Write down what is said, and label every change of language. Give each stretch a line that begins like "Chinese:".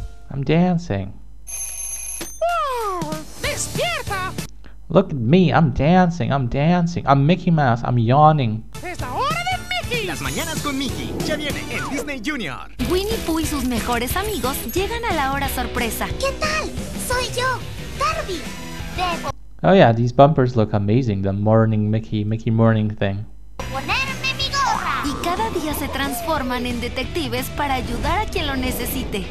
English: I'm dancing. Look at me, I'm dancing, I'm Mickey Mouse, I'm yawning.
Spanish: ¡Es la hora de Mickey! Las mañanas con Mickey, ya viene el Disney Junior. Winnie Pooh y sus mejores amigos llegan a la hora sorpresa. ¿Qué tal? Soy yo, Barbie.
English: Oh yeah, these bumpers look amazing, the morning Mickey, Mickey morning thing.
Spanish: ¡Ponerme mi gorra! Y cada día se transforman en detectives para ayudar a quien lo necesite.